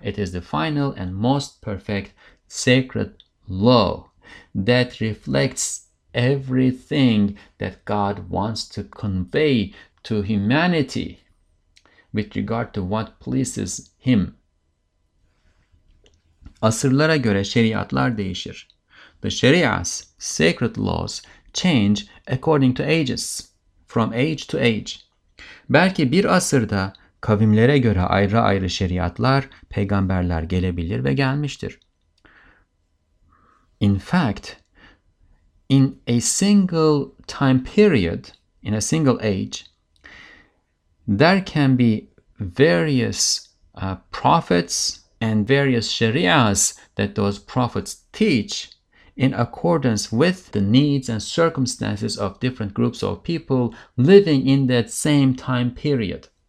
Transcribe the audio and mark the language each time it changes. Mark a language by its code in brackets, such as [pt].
[en] It is the final and most perfect sacred law that reflects everything that God wants to convey to humanity with regard to what pleases Him. [tr] Asırlara göre şeriatlar değişir. [en] The Sharia's sacred laws change according to ages, from age to age. [tr] Belki bir asırda kavimlere göre ayrı ayrı şeriatlar, peygamberler gelebilir ve gelmiştir. [en] In fact, in a single time period, in a single age, there can be various prophets and various sharias that those prophets teach in accordance with the needs and circumstances of different groups of people living in that same time period.